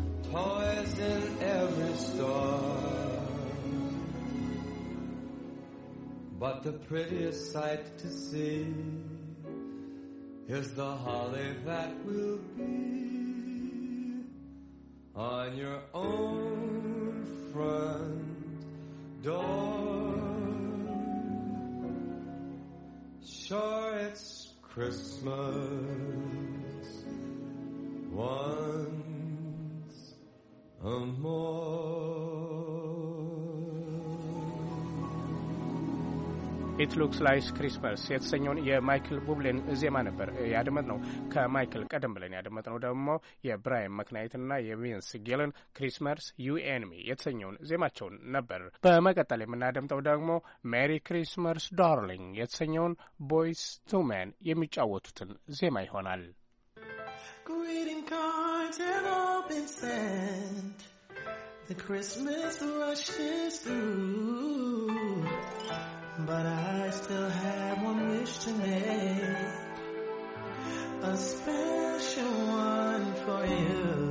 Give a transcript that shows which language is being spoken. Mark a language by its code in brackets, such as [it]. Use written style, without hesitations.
[en] Toys in every store, but the prettiest sight to see is the holly that will be on your own front door. Sure, it's Christmas once more. [am] It Looks Like Christmas የተሰኘውን የማይክል ቡብሌን ዜማ ነበር ያደመጥነው። ከማይክል ቀደም ብለን ያደመጥነው ደግሞ የብራይን መክናይትና የቪንስ ጌለን ክሪስማስ ዩ ኤንድ ሚ የተሰኘውን ዜማቸውን ነበር። በመቀጠል የምናደምጠው ደግሞ ሜሪ ክሪስማስ ዳርሊንግ የተሰኘውን ቦይስ ቱ ሜን የሚጫወቱትን ዜማ ይሆናል። [en] Greeting cards have all been sent. The Christmas rush is through, but I still have one wish to make, a special one for you.